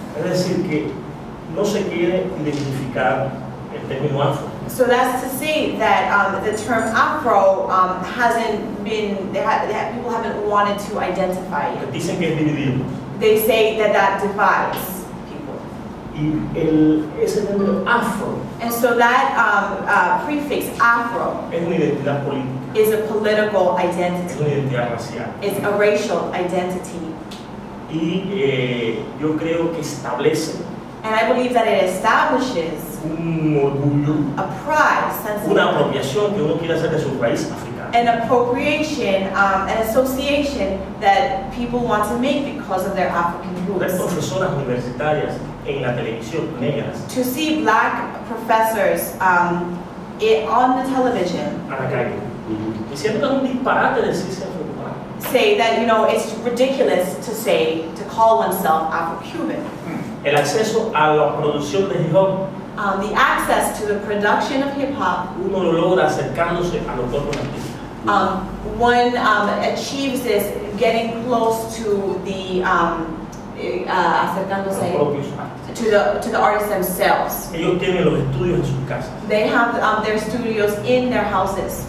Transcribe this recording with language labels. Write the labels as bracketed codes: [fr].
[es] Es decir que no se quiere identificar el término afro. [en] So that's to say that the term afro hasn't been, people haven't wanted to identify it. [es] Dicen que es dividido. [en] They say that divides people. [es] Y ese término afro. [en] And so that prefix afro [es] es una identidad política. [en] Is a political identity. [es] Es una identidad racial. [en] It's a racial identity. [es] Y yo creo que establece. [en] And I believe that it establishes a pride, an appropriation, an association that people want to make because of their African roots. To see black professors on the television say that, you know, it's ridiculous to say, to call oneself Afro-Cuban. [es] El acceso a la producción de hip hop. [en] The access to the production of hip hop. [es] Uno lo logra acercándose a los otros artistas. [en] One achieves this getting close to the [es] acercándose los propios [en] to the artists themselves. [es] Ellos tienen los estudios en sus casas. [en] They have their studios in their houses.